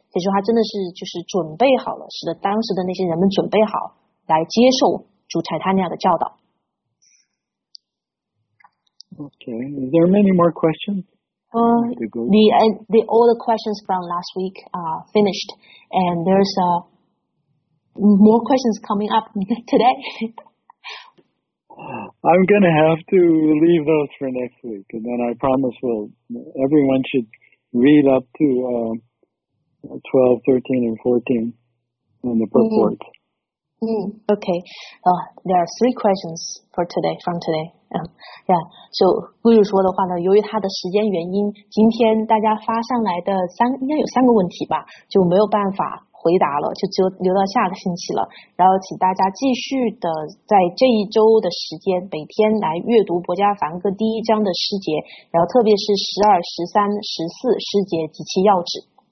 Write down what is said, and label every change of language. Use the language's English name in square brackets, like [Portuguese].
[Chinese] 所以说他真的是就是准备好了，使得当时的那些人们准备好来接受主柴塔尼亚的教导。 [English] Okay, is there many more questions? The all the questions from last week are finished, and there's more questions coming up today. I'm going to have to leave those for next week, and then I promise everyone should read up to 12, 13, and 14 in the purport. Okay. There are three questions for today, from today. [Chinese] So, Guru 说的话呢，由于他的时间原因，今天大家发上来的应该有三个问题吧，就没有办法回答了，就留到下个星期了。然后请大家继续的在这一周的时间，每天来阅读《博伽梵歌》第一章的诗节，然后特别是12、13、14诗节及其要旨。